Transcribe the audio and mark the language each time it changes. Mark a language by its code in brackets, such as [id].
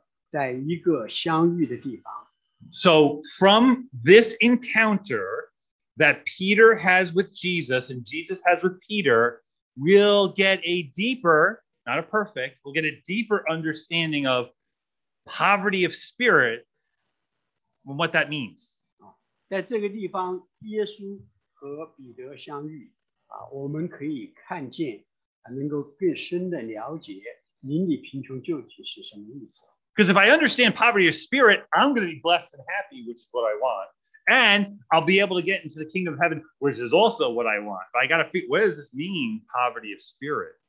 [en] So from this encounter that Peter has with Jesus and Jesus has with Peter, we'll get a deeper, not a perfect, we'll get a deeper understanding of poverty of spirit and what that means. [zh] 在这个地方，耶稣和彼得相遇，我们可以看见，能够更深的了解邻里贫穷究竟是什么意思。 [en] Because if I understand poverty of spirit, I'm going to be blessed and happy, which is what I want. And I'll be able to get into the kingdom of heaven, which is also what I want. But I got to figure, what does this mean, poverty of spirit?